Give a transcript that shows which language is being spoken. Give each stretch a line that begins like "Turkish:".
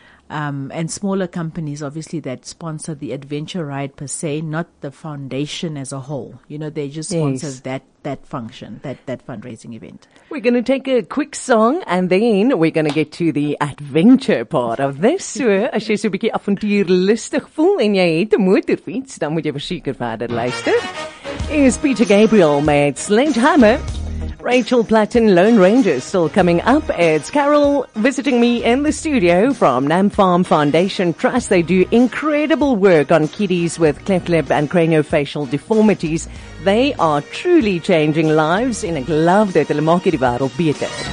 English: And smaller companies, obviously, that sponsor the adventure ride per se, not the foundation as a whole. You know, they just sponsor that function, that fundraising event. We're going to take a quick song and then we're going to get to the adventure part of this.
Afrikaans: So, as jy so 'n bietjie avontuurlustig voel en jy het 'n motorfiets, dan moet jy verseker verder luister. Is Peter Gabriel met Sledgehammer.
English: Rachel Platten, Lone Ranger, still coming up. It's Carol visiting me in the studio from NAMFARM Foundation Trust. They do incredible work on kiddies with cleft lip and craniofacial deformities. They are truly changing lives in a glove that they make the world better.